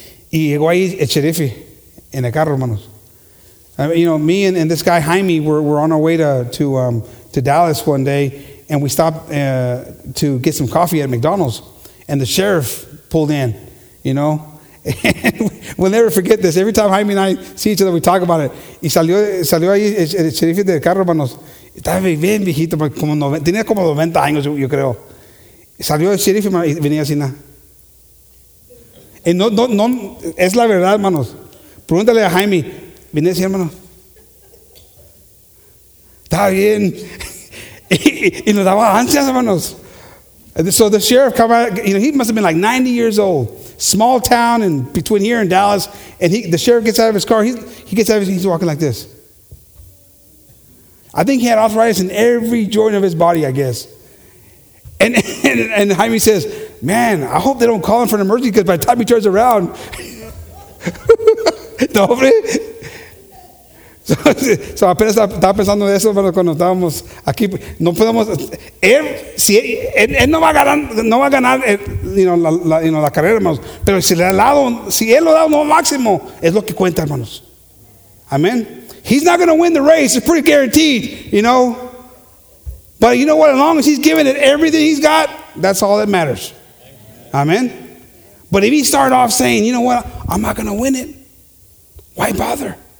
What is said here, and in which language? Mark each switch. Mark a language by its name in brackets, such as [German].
[Spanish] Y llegó ahí el sheriff en el carro, hermanos. [English] You know, me and this guy, Jaime, were on our way to Dallas one day, and we stopped to get some coffee at McDonald's, and the sheriff pulled in, you know. And we'll never forget this. Every time Jaime and I see each other, we talk about it. [Spanish] Y salió ahí el sheriff del carro, hermanos. Estaba bien viejito, como 90, tenía como 90 años, yo creo. Salió el sheriff y venía así, nada. No, no, no, es la verdad, hermanos. Pregúntale a Jaime. Venía así, hermanos. Estaba bien. Y nos daba ansias, hermanos. [English] So the sheriff come out, you know, he must have been like 90 years old. Small town in between here and Dallas, and the sheriff gets out of his car. He's walking like this. I think he had arthritis in every joint of his body, I guess. And Jaime says, "Man, I hope they don't call him for an emergency because by the time he turns around, hombre." [Spanish] So apenas estaba pensando eso, pero cuando estábamos aquí, no podemos. Él no va a ganar, la carrera, hermanos. Pero si le ha dado, si él lo ha dado lo máximo, es lo que cuenta, hermanos. [English] Amen. He's not going to win the race, it's pretty guaranteed, you know. But you know what? As long as he's giving it everything he's got, that's all that matters. Amen. But if he started off saying, you know what? I'm not going to win it, why bother?